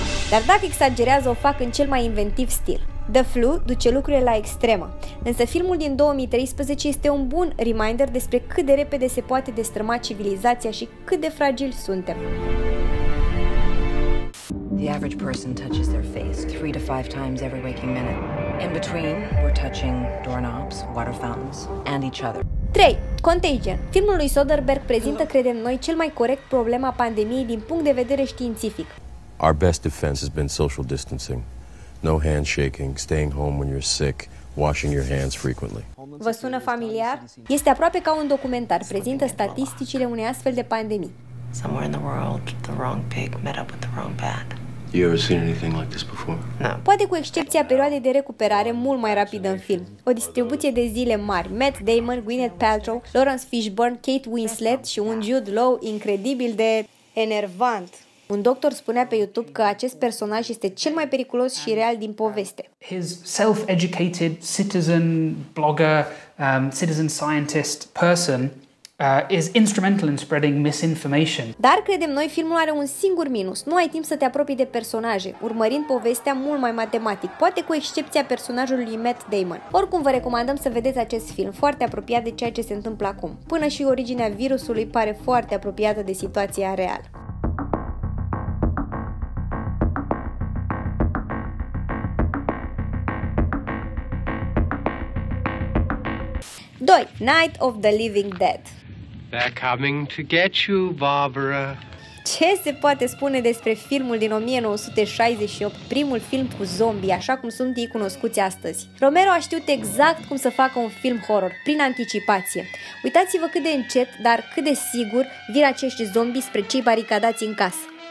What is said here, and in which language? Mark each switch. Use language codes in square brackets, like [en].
[ro] Dar dacă exagerează, o fac în cel mai inventiv stil. The Flu duce lucrurile la extremă, însă filmul din 2013 este un bun reminder despre cât de repede se poate destrăma civilizația și cât de fragili suntem. [en] The average person touches their face 3 to 5 times every waking minute. In between, we're touching doorknobs, water fountains, and each other. [ro] 3. Contagion. Filmul lui Soderbergh prezintă, credem noi, cel mai corect problema pandemiei din punct de vedere științific. [en] Our best defense has been social distancing. No handshaking, staying home when you're sick, washing your hands frequently. [ro] Vă sună familiar? Este aproape ca un documentar, prezintă statisticile unei astfel de pandemii. [en] Somewhere in the world, the wrong pig met up with the wrong bat. You ever seen anything like this before? No. [ro] Poate cu excepția perioadei de recuperare mult mai rapidă în film. O distribuție de zile mari. Matt Damon, Gwyneth Paltrow, Lawrence Fishburne, Kate Winslet și un Jude Law incredibil de enervant. Un doctor spunea pe YouTube că acest personaj este cel mai periculos și real din poveste. [en] His self-educated citizen blogger, citizen scientist person is instrumental in spreading misinformation. [ro] Dar credem noi, filmul are un singur minus. Nu ai timp să te apropii de personaje, urmărind povestea mult mai matematic, poate cu excepția personajului Matt Damon. Oricum, vă recomandăm să vedeți acest film, foarte apropiat de ceea ce se întâmplă acum. Până și originea virusului pare foarte apropiată de situația reală. Doi, Night of the Living Dead. [en] They're coming to get you, Barbara. [ro] Ce se poate spune despre filmul din 1968, primul film cu zombie, așa cum sunt ei cunoscuți astăzi? Romero a știut exact cum să facă un film horror, prin anticipație. Uitați-vă cât de încet, dar cât de sigur vin acești zombie spre cei baricadați în casă.